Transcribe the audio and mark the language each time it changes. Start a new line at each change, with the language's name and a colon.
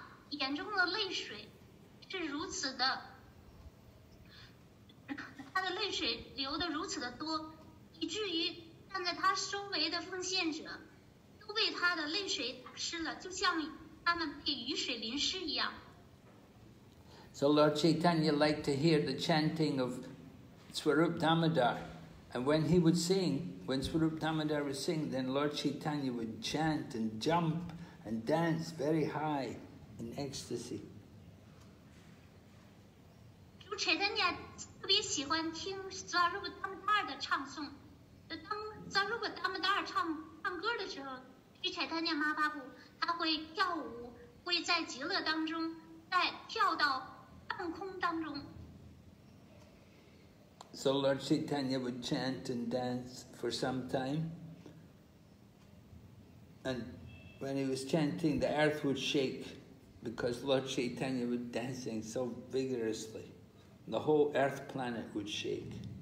Chinese: 眼中的泪水是如此的，他的泪水流得如此的多，以至于站在他周围的奉献者都被他的泪水打湿了，就像他们被雨水淋湿一样。
English: So Lord Chaitanya liked to hear the chanting of Swarup Damodar, and when he would sing, when Swarup Damodar would sing, then Lord Chaitanya would chant and jump and dance very high. In ecstasy.
Chinese: 主柴丹尼亚特别喜欢听扎鲁巴达姆达尔的唱诵。当扎鲁巴达姆达尔唱歌的时候，主柴丹尼亚妈巴布他会跳舞，会在极乐当中，在跳到半空当中。
English: So Lord Chaitanya would chant and dance for some time, and when he was chanting, the earth would shake. Because Lord Chaitanya was dancing so vigorously, the whole earth planet would shake.